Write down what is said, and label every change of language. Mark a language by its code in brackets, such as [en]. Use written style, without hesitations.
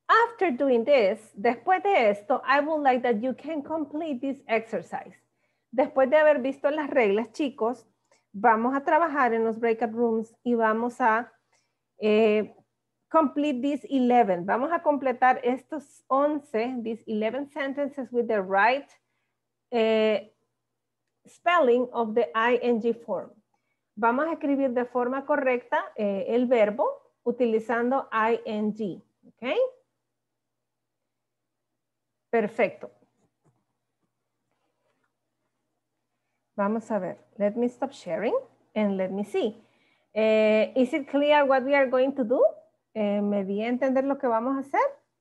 [en] After doing this, [es] después de esto, [en] I would like that you can complete this exercise. [es] Después de haber visto las reglas, chicos, vamos a trabajar en los breakout rooms y vamos a [en] complete these 11. [es] Vamos a completar estos 11, [en] these 11 sentences with the right spelling of the ing form. [es] Vamos a escribir de forma correcta el verbo utilizando ing, ¿ok? Perfecto. Vamos a ver, [en] let me stop sharing and let me see. Is it clear what we are going to do? [es] ¿Me di a entender lo que vamos a hacer?